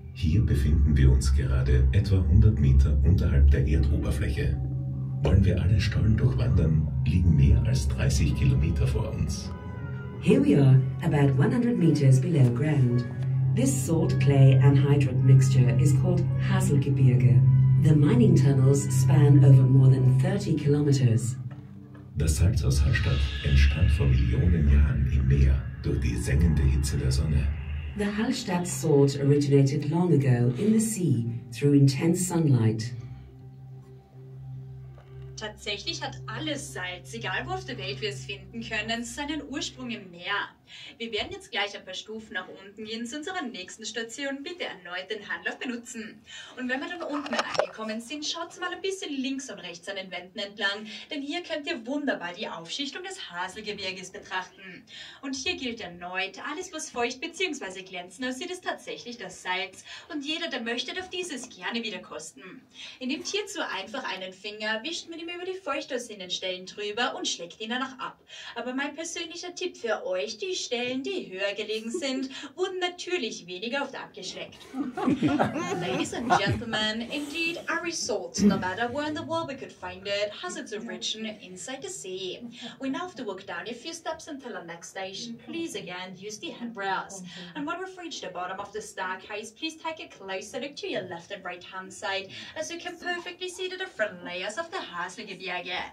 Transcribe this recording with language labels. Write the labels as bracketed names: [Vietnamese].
[German] Hier befinden wir uns gerade etwa 100 Meter unterhalb der Erdoberfläche. Wollen wir alle Stollen durchwandern, liegen mehr als 30 Kilometer vor uns. [English] Here we are, about 100 meters below ground. This salt clay anhydrite mixture is called Haselgebirge. The mining tunnels span over more than 30 kilometers. [German] Das Salz aus Hallstatt entstand vor Millionen Jahren im Meer durch die sengende Hitze der Sonne. [English] The Hallstatt salt originated long ago in the sea through intense sunlight. [German] Tatsächlich hat alles Salz, egal wo auf der Welt wir es finden können, seinen Ursprung im Meer. Wir werden jetzt gleich ein paar Stufen nach unten gehen zu unserer nächsten Station. Bitte erneut den Handlauf benutzen. Und wenn wir dann unten angekommen sind, schaut mal ein bisschen links und rechts an den Wänden entlang, denn hier könnt ihr wunderbar die Aufschichtung des Haselgebirges betrachten. Und hier gilt erneut, alles was feucht bzw. glänzend aussieht, ist tatsächlich das Salz. Und jeder, der möchte, darf dieses gerne wieder kosten. Ihr nehmt hierzu einfach einen Finger, wischt mit ihm über die feucht aussehenden Stellen drüber und schlägt ihn danach ab. Aber mein persönlicher Tipp für euch, die Stellen, die höher gelegen sind, wurden natürlich weniger oft abgeschleckt. [English] Ladies and gentlemen, indeed, our resort, no matter where in the world we could find it, has its origin inside the sea. We now have to walk down a few steps until our next station. Please again, use the handrails. And when we've reached the bottom of the staircase, please take a closer look to your left and right hand side, as you can perfectly see the different layers of the Haselgebirge.